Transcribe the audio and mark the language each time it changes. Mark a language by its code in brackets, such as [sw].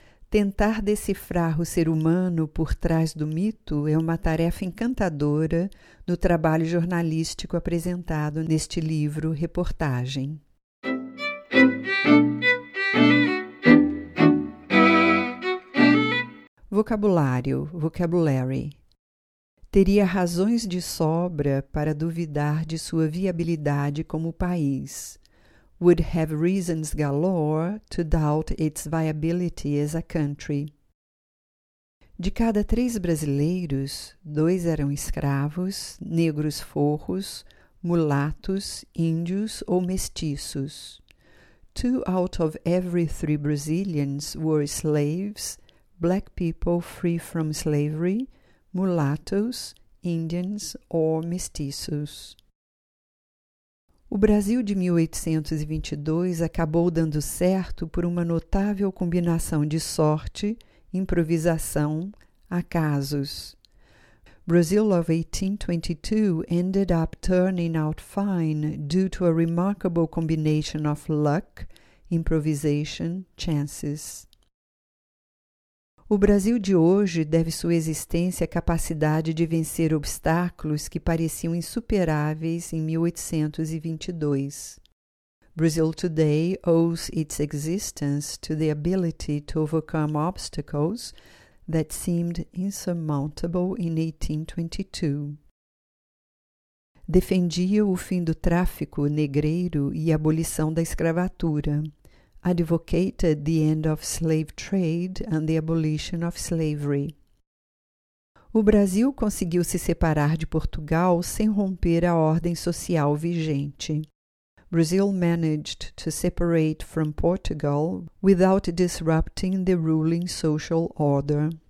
[pt] Tentar decifrar o ser humano por trás do mito é uma tarefa encantadora no trabalho jornalístico apresentado neste livro reportagem. Vocabulário, vocabulary. Teria razões de sobra para duvidar de sua viabilidade como país. [en] Would have reasons galore to doubt its viability as a country. [pt] De cada 3 brasileiros, 2 eram escravos, negros forros, mulatos, índios ou mestiços. [en] 2 out of every 3 Brazilians were slaves, black people free from slavery, mulatos, Indians or mestiços. [pt] O Brasil de 1822 acabou dando certo por uma notável combinação de sorte, improvisação, acasos. [en] Brazil of 1822 ended up turning out fine due to a remarkable combination of luck, improvisation, chances. [pt] O Brasil de hoje deve sua existência à capacidade de vencer obstáculos que pareciam insuperáveis em 1822. [en] Brazil today owes its existence to the ability to overcome obstacles that seemed insurmountable in 1822. [pt] Defendia o fim do tráfico negreiro e a abolição da escravatura. [en] Advocated the end of slave trade and the abolition of slavery. [pt] O Brasil conseguiu se separar de Portugal sem romper a ordem social vigente. [en] Brazil managed to separate from Portugal without disrupting the ruling social order.